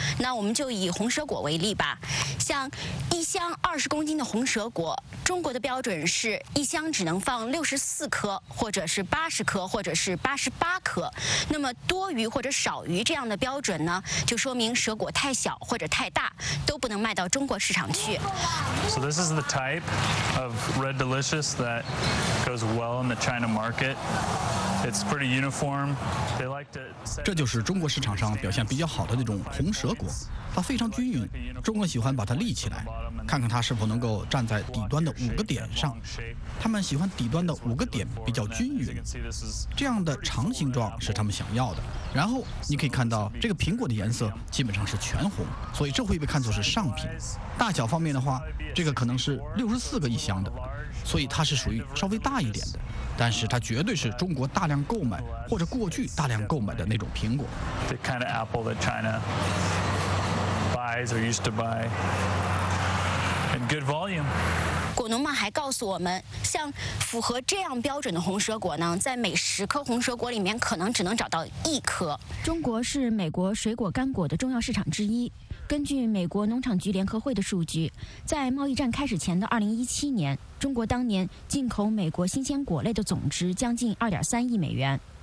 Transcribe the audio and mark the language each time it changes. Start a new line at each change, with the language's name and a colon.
Chinese: 那我们就以红蛇果为例吧，像一箱20公斤的红蛇果，中国的标准是一箱只能放64颗，或者是80颗，或者是88颗。那么多余或者少于这样的标准呢，就说明蛇果太小或者太大，都不能卖到中国市场去。
English: So this is the type of Red Delicious that goes well in the China market. It's pretty uniform. They like to.
Chinese: 这就是中国市场上表现比较好的那种红蛇果。它非常均匀，中国喜欢把它立起来，看看它是否能够站在底端的5个点上。他们喜欢底端的5个点比较均匀，这样的长形状是他们想要的。然后你可以看到这个苹果的颜色基本上是全红，所以这会被看作是上品。大小方面的话，这个可能是64个一箱的，所以它是属于稍微大一点的。但是它绝对是中国大量购买或者过去大量购买的那种苹果。
English: The kind of apple that China buys or used to buy in good volume.
Chinese: 果农们还告诉我们，像符合这样标准的红蛇果呢，在每10颗红蛇果里面可能只能找到1颗。中国是美国水果干果的重要市场之一。根据美国农场局联合会的数据，在贸易战开始前的2017年，中国当年进口美国新鲜果类的总值将近2.3亿美元。